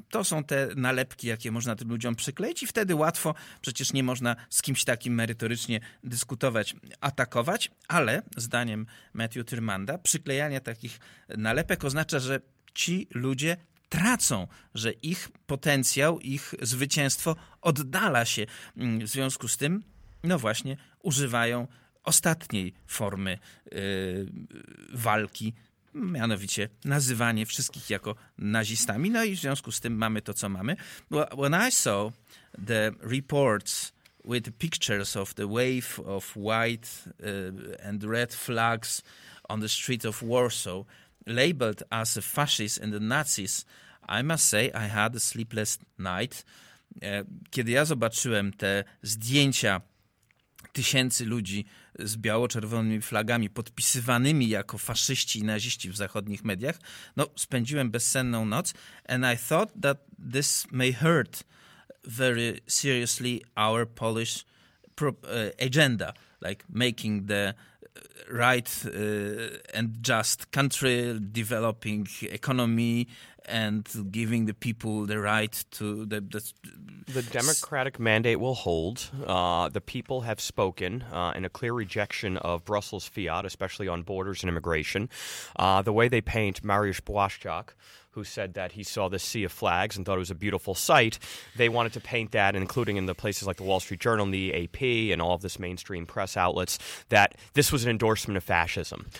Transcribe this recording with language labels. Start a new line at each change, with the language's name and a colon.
Polish: To są te nalepki, jakie można tym ludziom przykleić i wtedy łatwo, przecież nie można z kimś takim merytorycznie dyskutować, atakować, ale zdaniem Matthew Tiermanda przyklejanie takich nalepek oznacza, że ci ludzie tracą, że ich potencjał, ich zwycięstwo oddala się. W związku z tym, no właśnie, używają ostatniej formy walki, mianowicie nazywanie wszystkich jako nazistami. No i w związku z tym mamy to, co mamy.
English: When I saw the reports with pictures of the wave of white and red flags on the streets of Warsaw, labeled as a fascist and the Nazis, I must say I had a sleepless night.
Polish: Kiedy ja zobaczyłem te zdjęcia tysięcy ludzi z biało-czerwonymi flagami podpisywanymi jako faszyści i naziści w zachodnich mediach, no spędziłem bezsenną noc,
English: and I thought that this may hurt very seriously our Polish agenda, like making the right and just country, developing economy and giving the people the right to the democratic mandate will hold. The people have spoken in a clear rejection of Brussels fiat, especially on borders and immigration. The way they paint Mariusz Błaszczak, who said that he saw this sea of flags and thought it was a beautiful sight, they wanted to paint that, including in the places like the Wall Street Journal and the AP and all of this mainstream press outlets, that this was an endorsement of fascism.